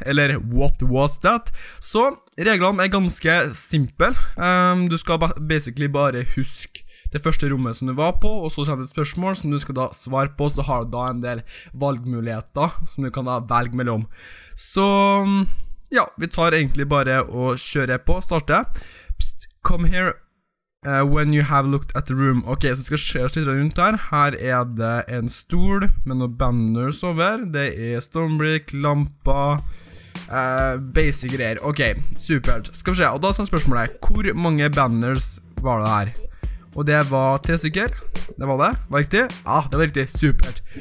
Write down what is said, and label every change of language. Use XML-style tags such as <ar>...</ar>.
<no>Eller</no> <en>What was that?</en> <no>Så reglene er ganske simpel. Du skal basically bare huske det første rommet som du var på, og så kommer det et spørsmål som du skal da svare på, så har du da en del valgmuligheter som du kan da velge mellom. Så, ja, vi tar egentlig bare å kjøre på, starte.</no> <en>Psst, come here when you have looked at the room.</en> <no>Ok, så skal vi se oss litt rundt her. Her er det en stol med noen banners over. Det er stormbrick, lampa, basic greier. Ok, supert. Skal vi se, og da skal spørsmålet er, hvor mange banners var det her? Og det var 3 stykker, var det riktig? Ja, det var riktig, supert.</no>